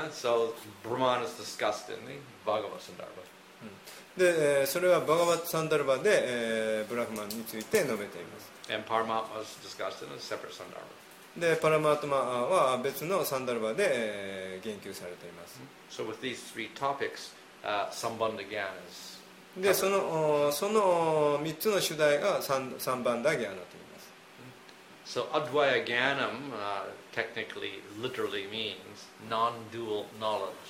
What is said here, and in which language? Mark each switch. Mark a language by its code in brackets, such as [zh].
[en] So Brahman is discussed in the Bhagavat Sandarbha. [ja] で、それは Bhagavat Sandarbha で Brahman について述べています。 [en] And Paramatma is discussed in a separate Sandarbha. [ja] で、Paramatma は別の Sandarbha で言及されています。 [en] So with these three topics, Sambandha Jnana is... [ja] でその3つの主題が三番だギャーナと言います。 [en] So Advaya Jnanam technically literally means non-dual knowledge.